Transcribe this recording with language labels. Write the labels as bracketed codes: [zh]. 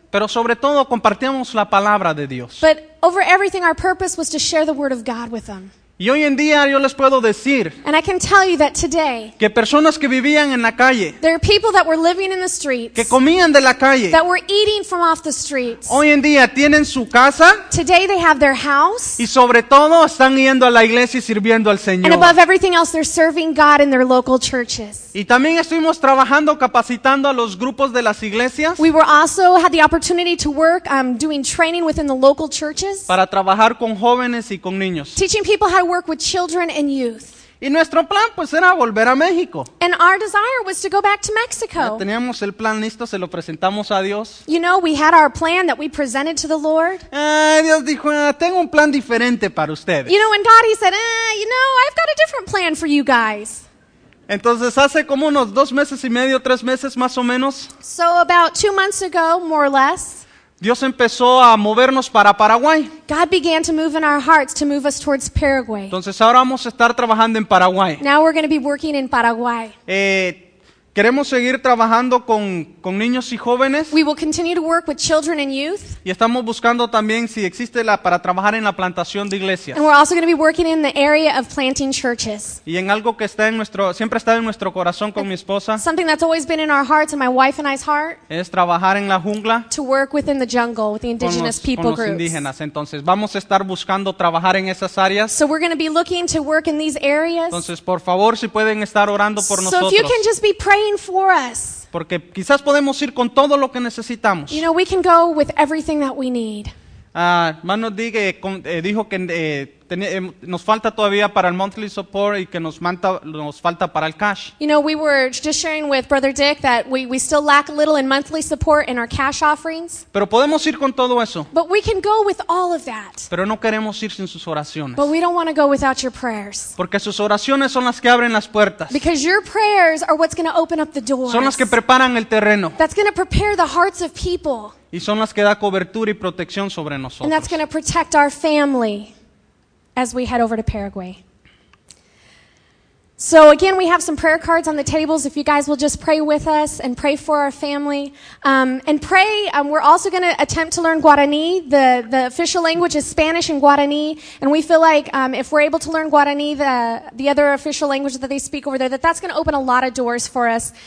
[es] Pero sobre todo compartíamos la palabra de Dios. [en] But over everything, our purpose was to share the word of God with them. [es] Y hoy en día yo les puedo decir, [en] and I can tell you that today, [es] que personas que vivían en la calle, [en] there are people that were living in the streets, [es] que comían de la calle, [en] that were eating from off the streets, [es] hoy en día tienen su casa, [en] today they have their house, [es] y sobre todo están yendo a la iglesia y sirviendo al Señor. [en] And above everything else, they're serving God in their local churches. [es] Y también estuvimos trabajando, capacitando a los grupos de las iglesias. [en] We were also had the opportunity to work doing training within the local churches, [es] para trabajar con jóvenes y con niños, [en] teaching people how to work with children and youth. [es] Y nuestro plan pues era volver a México. [en] And our desire was to go back to Mexico. [es] Ya teníamos el plan listo, se lo presentamos a Dios. [en] You know, we had our plan that we presented to the Lord. [es] Dios dijo, tengo un plan diferente para ustedes. [en] You know, and God, he said, you know, I've got a different plan for you guys. [es] Entonces hace como unos 2 meses y medio, 3 meses más o menos. [en] So about 2 months ago, more or less. [es] Dios empezó a movernos para Paraguay. [en] God began to move in our hearts to move us towards Paraguay. [es] Entonces ahora vamos a estar trabajando en Paraguay. [en] Now we're going to be working in Paraguay. [es] Queremos seguir trabajando con niños y jóvenes. [en] We will continue to work with children and youth. [es] Y estamos buscando también si existe la para trabajar en la plantación de iglesias. [en] And we're also going to be working in the area of planting churches. [es] Y en algo que está en nuestro siempre está en nuestro corazón con mi esposa. [en] Something that's always been in our hearts and my wife and I's heart. [es] Es trabajar en la jungla. [en] To work within the jungle with the indigenous people groups. [es] Con los indígenas. Entonces vamos a estar buscando trabajar en esas áreas. [en] So we're going to be looking to work in these areas. [es] Entonces por favor si pueden estar orando por nosotros. [en] So if you can just be praying for us. [es] Porque quizás podemos ir con todo lo que necesitamos. [en] You know, we can go with everything that we need. [es] Hermano Digue dijo que nos falta todavía para el [en] monthly support [es] y que nos falta para el cash. [en] You know, we were just sharing with Brother Dick that we still lack a little in monthly support in our cash offerings. [es] Pero podemos ir con todo eso. [en] But we can go with all of that. [es] Pero no queremos ir sin sus oraciones. [en] But we don't want to go without your prayers. [es] Porque sus oraciones son las que abren las puertas. [en] Because your prayers are what's going to open up the doors. [es] Son las que preparan el terreno. [en] That's going to prepare the hearts of people. [es] Y son las que da cobertura y protección sobre nosotros. [en] And that's going to protect our family as we head over to Paraguay. So again, we have some prayer cards on the tables. If you guys will just pray with us and pray for our family. And pray, we're also going to attempt to learn Guarani. The official language is Spanish and Guarani. And we feel like if we're able to learn Guarani, the other official language that they speak over there, that's going to open a lot of doors for us.